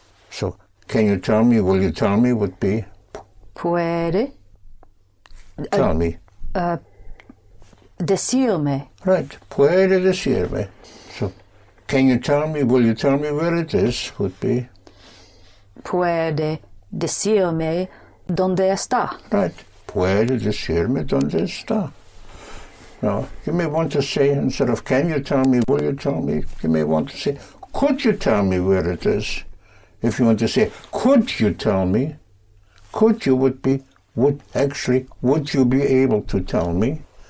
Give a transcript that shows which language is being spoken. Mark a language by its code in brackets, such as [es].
[en] So can you tell me, will you tell me, would be? [es] Puede. [en] Tell me. [es] Decirme. Right. Puede decirme. [en] So can you tell me, will you tell me where it is, would be? [es] Puede decirme donde está. [en] Right. [es] Puede decirme donde está. [en] Now, you may want to say, instead of can you tell me, will you tell me, you may want to say, could you tell me where it is? If you want to say, could you tell me, could you would be, would actually, would you be able to tell me?